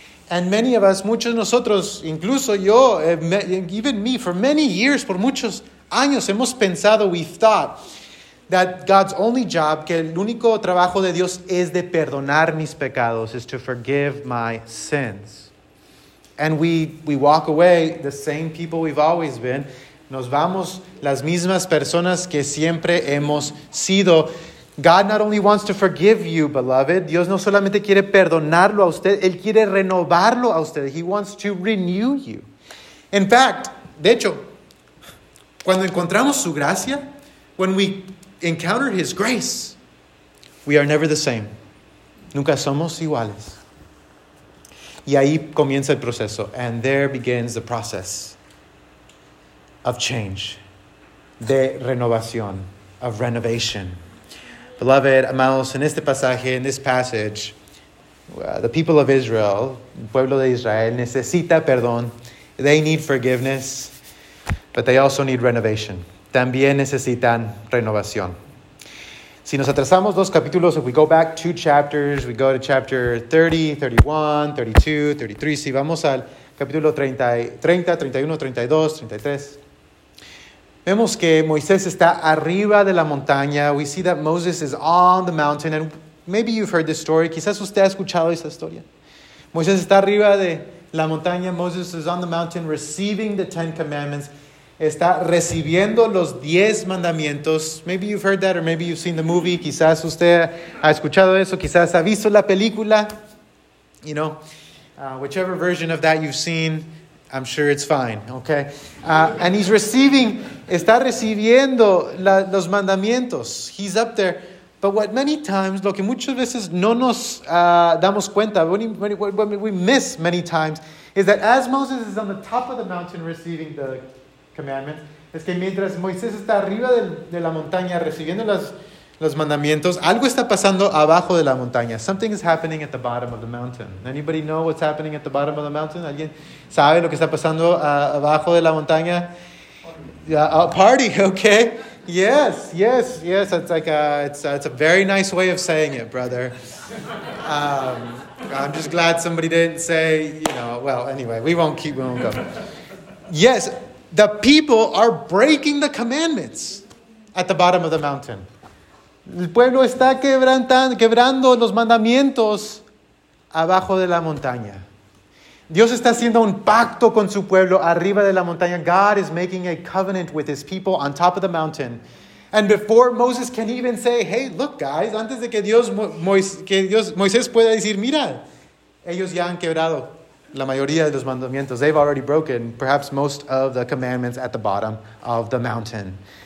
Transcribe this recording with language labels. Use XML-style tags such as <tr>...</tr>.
<en>And many of us,</en> <es>muchos de nosotros, incluso yo,</es> <en>even me, for many years,</en> <es>por muchos años, hemos pensado,</es> <en>we've thought, that God's only job,</en> <es>que el único trabajo de Dios es de perdonar mis pecados,</es> <en>is to forgive my sins. And we walk away the same people we've always been.</en> <es>Nos vamos las mismas personas que siempre hemos sido.</es> <en>God not only wants to forgive you, beloved.</en> <es>Dios no solamente quiere perdonarlo a usted. Él quiere renovarlo a usted.</es> <en>He wants to renew you. In fact,</en> <es>de hecho, cuando encontramos su gracia,</es> <en>when we encounter His grace, we are never the same.</en> <es>Nunca somos iguales. Y ahí comienza el proceso.</es> <en>And there begins the process of change,</en> <es>de renovación,</es> <en>of renovation. Beloved, amados, in este pasaje, in this passage, the people of Israel,</en> <es>el pueblo de Israel, necesita perdón.</es> <en>They need forgiveness, but they also need renovation.</en> <es>También necesitan renovación. Si nos atrasamos dos capítulos,</es> <en>if we go back two chapters, we go to chapter 30, 31, 32, 33.</en> <es>Si vamos al capítulo 30, 31, 32, 33. Vemos que Moisés está arriba de la montaña.</es> <en>We see that Moses is on the mountain. And maybe you've heard this story.</en> <es>Quizás usted ha escuchado esa historia. Moisés está arriba de la montaña.</es> <en>Moses is on the mountain receiving the Ten Commandments.</en> <es>Está recibiendo los diez mandamientos.</es> <en>Maybe you've heard that or maybe you've seen the movie.</en> <es>Quizás usted ha escuchado eso. Quizás ha visto la película.</es> <en>You know, whichever version of that you've seen, I'm sure it's fine, okay? And he's receiving,</en> <es>está recibiendo los mandamientos.</es> <en>He's up there. But what many times,</en> <es>lo que muchas veces no nos damos cuenta,</es> <en>what we miss many times, is that as Moses is on the top of the mountain receiving the commandments,</en> <es>es que mientras Moisés está arriba de la montaña recibiendo los mandamientos, algo está pasando abajo de la montaña.</es> <en>Something is happening at the bottom of the mountain. Anybody know what's happening at the bottom of the mountain?</en> <es>¿Alguien sabe lo que está pasando abajo de la montaña?</es> <en>A party, okay. Yes, yes, yes. It's a very nice way of saying it, brother. I'm just glad somebody didn't say, you know, well, anyway, we won't go. Yes, the people are breaking the commandments at the bottom of the mountain.</en> <es>El pueblo está quebrando los mandamientos abajo de la montaña. Dios está haciendo un pacto con su pueblo arriba de la montaña.</es> <en>God is making a covenant with His people on top of the mountain. And before Moses can even say, hey, look, guys,</en> <es>antes de que Moisés pueda decir, mira, ellos ya han quebrado la mayoría de los mandamientos.</es> <en>They've already broken perhaps most of the commandments at the bottom of the mountain.</en>